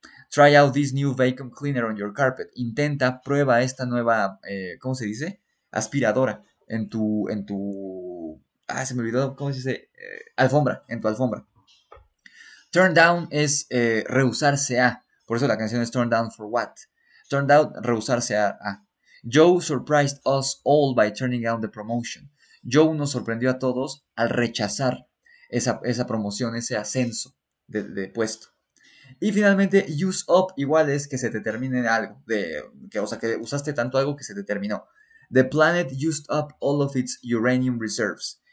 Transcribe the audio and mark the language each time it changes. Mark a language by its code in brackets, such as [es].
[en] Try out this new vacuum cleaner on your carpet. [es] Intenta, prueba esta nueva, ¿cómo se dice? Aspiradora en se me olvidó, ¿cómo se dice? Alfombra, en tu alfombra. Turn down es rehusarse a. Por eso la canción es Turn Down for What. Turn down, rehusarse a. [en] Joe surprised us all by turning down the promotion. [es] Joe nos sorprendió a todos al rechazar esa promoción, ese ascenso de puesto. Y finalmente, use up igual es que se te termine algo. O sea, que usaste tanto algo que se te terminó. [en] The planet used up all of its uranium reserves.